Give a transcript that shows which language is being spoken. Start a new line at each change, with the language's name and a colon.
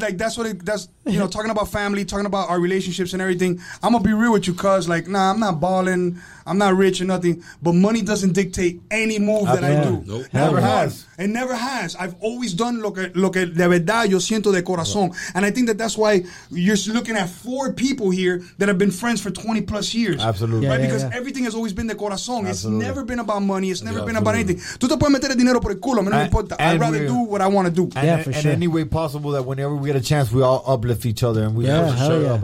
English: Like, that's talking about family, talking about our relationships and everything. I'm gonna be real with you, cuz, like, nah, I'm not balling, I'm not rich or nothing, but money doesn't dictate any move that I do. Nope. It never has. I've always done
Spanish: lo que de verdad yo siento de corazón.
English: Right. And I think that's why you're looking at four people here that have been friends for 20 plus years. Absolutely. Yeah, right? Yeah, because everything has always been
Spanish: de corazón.
English: Absolutely. It's never been about money, it's never been about anything.
Spanish: Tú te puedes meter el dinero.
English: I'd rather do what I want to do, for sure. Any way possible that whenever we get a chance, we all uplift each other and we show up.